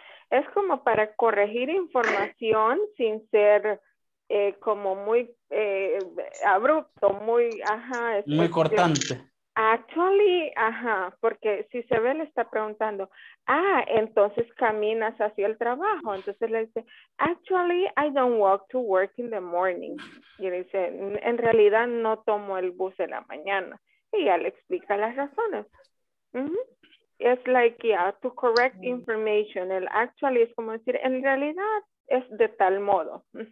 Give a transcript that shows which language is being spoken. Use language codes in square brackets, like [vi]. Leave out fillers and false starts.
[es] Es como para corregir información sin ser como muy abrupto, muy, ajá. Muy cortante. Actually, ajá, porque si se ve le está preguntando, ah, entonces caminas hacia el trabajo. Entonces le dice, [en] actually, I don't walk to work in the morning. [es] Y le dice, en realidad no tomo el bus en la mañana. Y ya le explica las razones. [en] Mm-hmm. It's like, yeah, to correct information. [es] El actually es como decir, en realidad es de tal modo.